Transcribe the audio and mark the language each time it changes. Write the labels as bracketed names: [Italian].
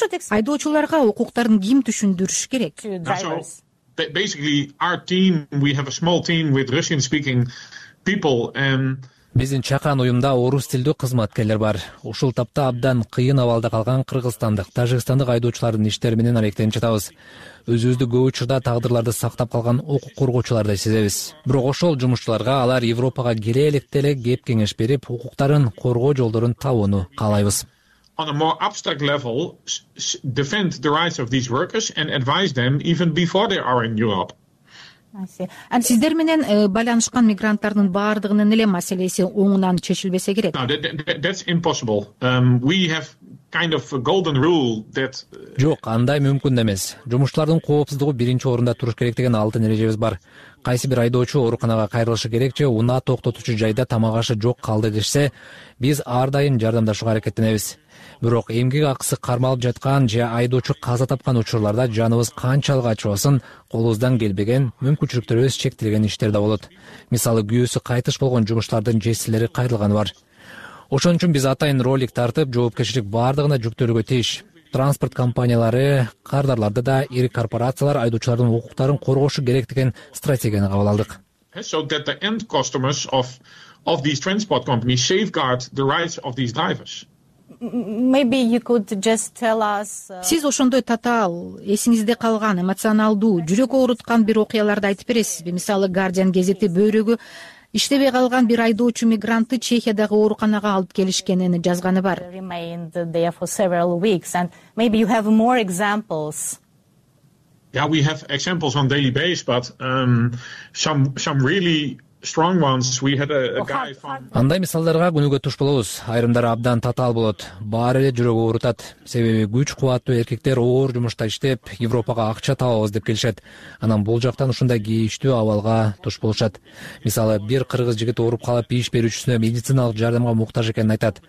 [Kyrgyz] Айдоочуларга укуктарын ким түшүндүрүш керек? [English] Basically our team, we have a small team with Russian speaking people and [Kyrgyz] биздин чакан уюмда орус тилдүү кызматкерлер бар. Ушул тапта абдан кыйын абалда калган кыргызстандык, тажикстандык айдоочулардын иштери менен аракеттенип жатабыз. Өзүбүздү көп учурда тагдырларды сактап калган укук коргоочулардай сезебиз. Бирок ошол жумушчуларга алар Европага келе электе эле кеп кеңеш берип, укуктарын коргоо жолдорун табууну каалайбыз. [English] On a more abstract level, defend the rights of these workers and advise them even before they are in Europe. [Kyrgyz] Сиздер менен байланышкан мигранттардын баардыгынын эле маселеси оңунан чечилбесе керек? [English] That's impossible. We have kind of a golden rule that [Kyrgyz] жок, андай мүмкүн эмес. Жумушчулардын коопсуздугу биринчи орунда туруш керек деген алтын эрежебиз бар. Кайсы бир айдоочу ооруканага кайрылышы керек же унаа токтотуучу жайда тамак ашы жок калды дешсе, биз ар дайым жардамдашууга аракеттенебиз. Бирок эмгек акысы кармалып жаткан же айдоочу каза тапкан учурларда жаныбыз канчалык ачыбасын, колубуздан келбеген мүмкүнчүлүктөрүбүз чектелген иштер да болот. Мисалы, күйөөсү кайтыш болгон жумушчулардын жесилери кайрылганы бар. Ошон үчүн биз атайын ролик тартып, жоопкерчилик баардыгына жүктөлүүгө тийиш. транспорт компаниялары, кардарларды да, ири корпорациялар айдоочулардын укуктарын коргошу керек деген стратегияны кабыл алдык. [English] So that the end customers of these transport companies safeguard the rights of these drivers. Maybe you could just tell us. [Kyrgyz] Сиз ошондой татаал, эсиңизде калган, эмоционалдуу, жүрөк ооруткан бир окуяларды айтып бересизби? Мисалы, Guardian гезети бөйрөгү иштебей калган бир айдоочу мигрантты Чехиядагы ооруканага алып келишкенин жазганы бар. [English] Remained there for several weeks and maybe you have more examples. Yeah, we have examples on daily basis, but some really strong ones. We had a guy from [Kyrgyz] Андай мисалдарга күнүгө туш болобуз. Айрымдары абдан татаал болот. Баары эле жүрөк оорутат. Себеби күч кубаттуу эркектер оор жумушта иштеп, Европага акча табабыз деп келишет. Анан бул жактан ушундай кийиштүү абалга туш болушат. Мисалы, бир кыргыз жигит ооруп калып, иш берүүчүсүнө медициналык жардамга муктаж экенин айтат.